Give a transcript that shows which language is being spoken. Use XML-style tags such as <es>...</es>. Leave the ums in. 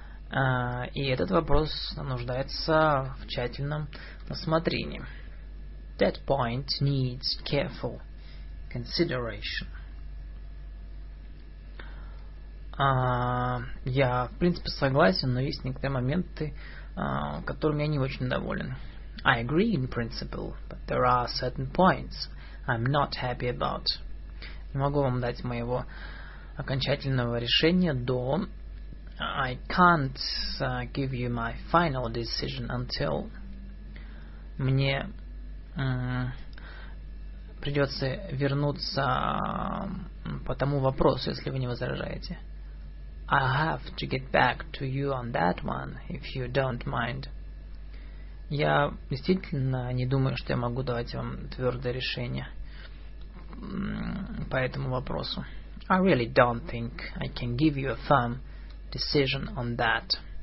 <ru>Uh, и этот вопрос нуждается в тщательном рассмотрении.</ru> <en>That point needs careful consideration.</en> <ru>А, uh, я, в принципе, согласен, но есть некоторые моменты, а, uh, которыми я не очень доволен.</ru> <en>I agree in principle, but there are certain points I'm not happy about.</en> <ru>Не могу вам дать моего окончательного решения до</ru> <en>I can't uh, give you my final decision until</en> <ru>мне э, придется вернуться по тому вопросу, если вы не возражаете.</ru> <en>I have to get back to you on that one, if you don't mind.</en> <ru>Я действительно не думаю, что я могу давать вам твердое решение по этому вопросу.</ru> <en>I really don't think I can give you a thumb decision on that.</en>